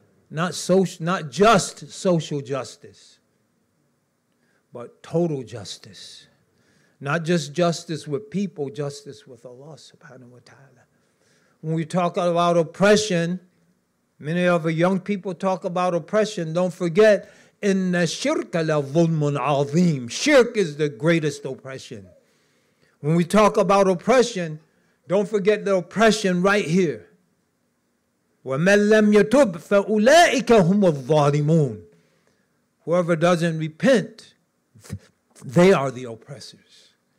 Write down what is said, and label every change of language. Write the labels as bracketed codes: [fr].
[en] Not just social justice, but total justice. Not just justice with people, justice with Allah subhanahu wa ta'ala. When we talk about oppression, many of the young people talk about oppression. Don't forget, [ar] إِنَّ الشِّرْكَ لَظُلْمٌ عَظِيمٌ. [en] Shirk is the greatest oppression. When we talk about oppression, don't forget the oppression right here. [ar] وَمَنْ لَمْ يَتُبْ فَأُولَٰئِكَ هُمُ الظَّالِمُونَ. [en] Whoever doesn't repent, they are the oppressors.